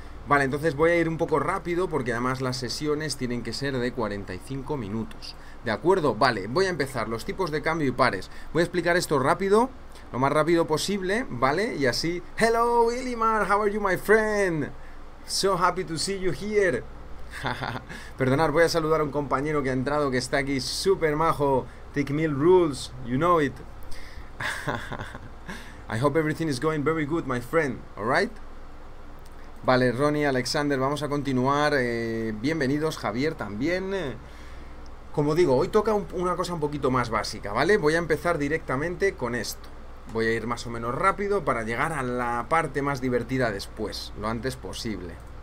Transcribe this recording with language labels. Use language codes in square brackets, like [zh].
[es] Vale, entonces voy a ir un poco rápido porque además las sesiones tienen que ser de 45 minutos. De acuerdo, vale. Voy a empezar. Los tipos de cambio y pares. Voy a explicar esto rápido, lo más rápido posible, ¿vale? Y así. [en] Hello, Willimar. How are you, my friend? So happy to see you here. [es] Perdonad, voy a saludar a un compañero que ha entrado, que está aquí, súper majo. [en] Take mil rules, you know it. I hope everything is going very good, my friend, alright? [es] Vale, Ronnie, Alexander, vamos a continuar. Bienvenidos, Javier también. Como digo, hoy toca una cosa un poquito más básica, ¿vale? Voy a empezar directamente con esto. Voy a ir más o menos rápido para llegar a la parte más divertida después, lo antes posible.